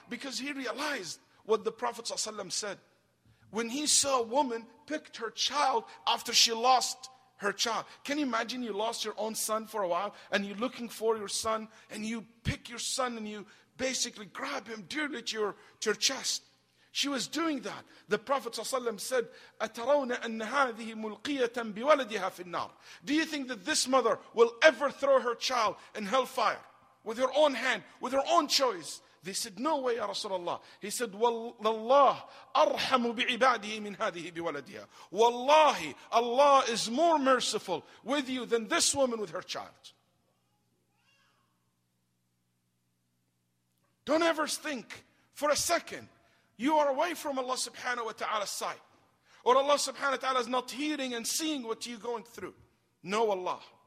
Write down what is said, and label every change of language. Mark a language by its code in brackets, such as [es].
[en] Because he realized what the Prophet ﷺ said. When he saw a woman picked her child after she lost her child. Can you imagine you lost your own son for a while and you're looking for your son and you pick your son and you basically grab him dearly to your chest. She was doing that. The Prophet ﷺ said, [ar] أَتَرَوْنَ أَنَّ هَذِهِ مُلْقِيَةً بِوَلَدِهَا فِي النَّارِ. [en] Do you think that this mother will ever throw her child in hellfire with her own hand, with her own choice? They said, no way, Ya Rasulullah. He said, [ar] وَاللَّهِ أَرْحَمُ بِعِبَادِهِ مِنْ هَذِهِ بِوَلَدِهَا. [en] Wallahi, Allah is more merciful with you than this woman with her child. Don't ever think for a second you are away from Allah subhanahu wa ta'ala's sight. Or Allah subhanahu wa ta'ala is not hearing and seeing what you're going through. No, Allah.